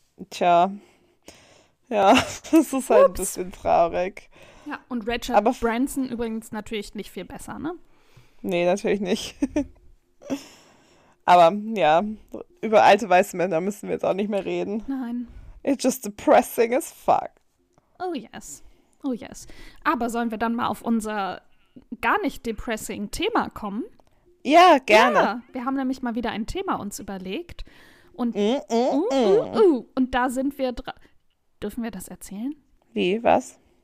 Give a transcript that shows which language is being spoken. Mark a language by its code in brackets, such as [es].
[de] Tja. Ja, das ist halt ein Ups. bisschen traurig. Ja, und Richard Aber. Branson übrigens natürlich nicht viel besser, ne? Nee, natürlich nicht. Aber ja, über alte weiße Männer müssen wir jetzt auch nicht mehr reden. Nein. [en] It's just depressing as fuck. Oh yes. Oh yes. [de] Aber sollen wir dann mal auf unser gar nicht depressing Thema kommen? Ja, gerne. Ja, wir haben nämlich mal wieder ein Thema uns überlegt. Und und da sind wir dran. Dürfen wir das erzählen? Wie, was?